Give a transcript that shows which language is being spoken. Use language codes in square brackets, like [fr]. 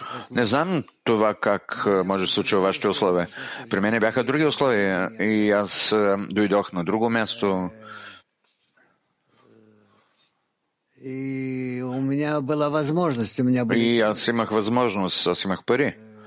[bg] Не знам това как може да се случи в вашите условия. При мен бяха други условия и аз дойдох на друго място. [ru] И у меня была возможность, у меня были. [bg] И аз имах възможност, аз имах пари.